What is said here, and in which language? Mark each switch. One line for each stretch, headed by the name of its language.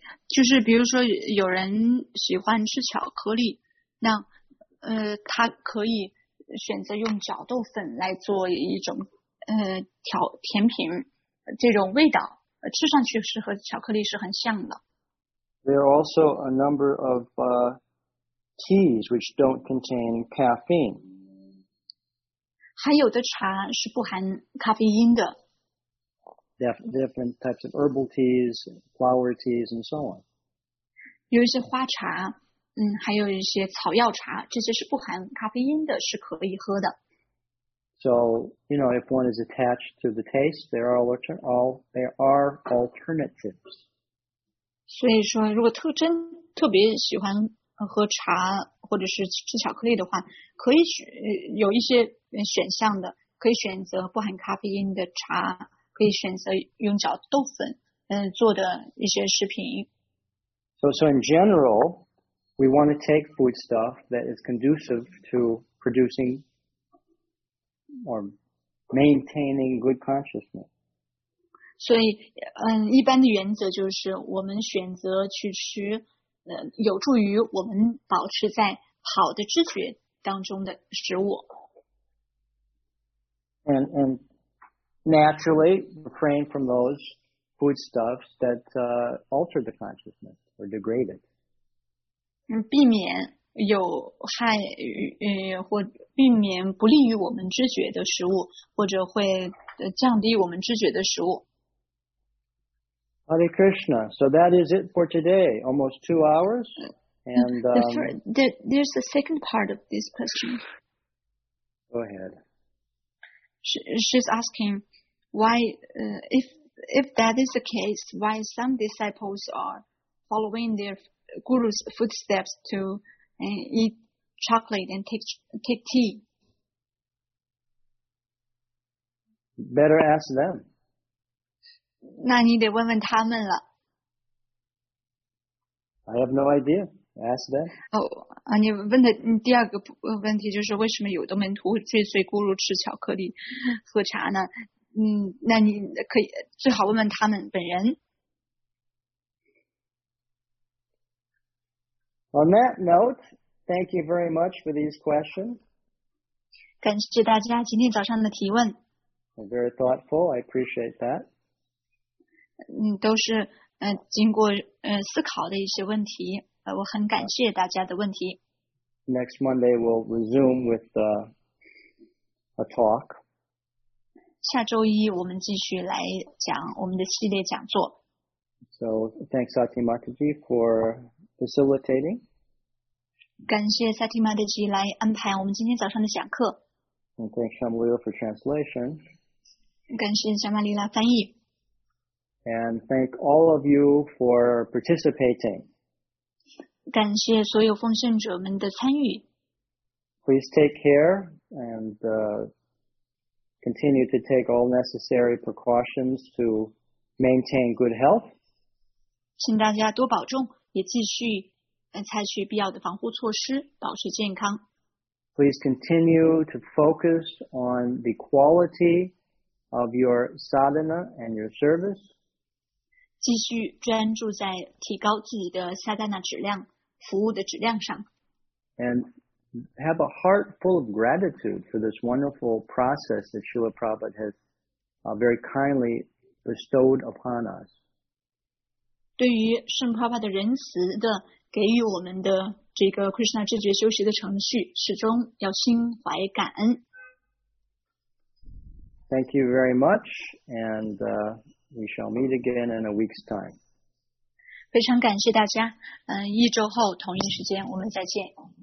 Chinese: 就是比如说有人喜欢吃巧克力，那他可以选择用角豆粉来做一种甜品，这种味道吃上去是和巧克力是很像的。
English: There are also a number of teas which don't contain caffeine.
Chinese: 还有的茶是不含咖啡因的。
English: Different types of herbal teas, flower teas, and so on.
Chinese: 有一些花茶，还有一些草药茶，这些是不含咖啡因的，是可以喝的。
English: So, you know, if one is attached to the taste, there are alternatives.
Chinese: 所以说，如果特别喜欢喝茶或者是吃巧克力的话，可以有一些选项的，可以选择不含咖啡因的茶，可以选择用角豆粉做的一些食品。
English: So in general, we want to take food stuff that is conducive to producing or maintaining good consciousness.
Chinese: 所以一般的原则就是我们选择去吃有助于我们保持在好的知觉当中的食物。
English: And naturally refrain from those foodstuffs that alter the consciousness or degrade it.
Chinese: 避免有害或避免不利于我们知觉的食物，或者会降低我们知觉的食物。
English: Hare Krishna. So that is it for today. Almost 2 hours. And there's the second part of this question. Go ahead. She's asking why if that is the case, why some disciples are following their guru's footsteps to eat chocolate and take tea. Better ask them.
Chinese: 那你得问问他们了。
English: I have no idea. Ask them.
Chinese: 你问的你第二个问题就是为什么有的门徒追随咕噜吃巧克力喝茶呢？那你可以最好问问他们本人。
English: On that note, thank you very much for these questions.
Chinese: 感谢大家今天早上的提问。
English: Very thoughtful. I appreciate that.
Chinese: 都是经过思考的一些问题，我很感谢大家的问题。
English: Next Monday we'll resume with a talk.
Chinese: 下周一我们继续来讲我们的系列讲座。
English: So thanks Sati Mataji for facilitating.
Chinese: 感谢 Sati Mataji 来安排我们今天早上的讲课。
English: And thanks Shamalila for translation.
Chinese: 感谢 Shamalila 翻译。
English: And thank all of you for participating.
Chinese: 感谢所有奉献者们的参与。
English: Please take care and continue to take all necessary precautions to maintain good health.
Chinese: 请大家多保重，也继续采取必要的防护措施，保持健康。
English: Please continue to focus on the quality of your sadhana and your service.
Chinese: 继续专注在提高自己的萨达那质量、服务的质量上。
English: And have a heart full of gratitude for this wonderful process that Srila Prabhupada has very kindly bestowed upon us.
Chinese: 对于圣帕帕的仁慈的给予我们的这个 Krishna 知觉修习的程序，始终要心怀感恩。
English: Thank you very much, and we shall meet again in a week's time.
Chinese: 非常感谢大家，一周后同一时间我们再见。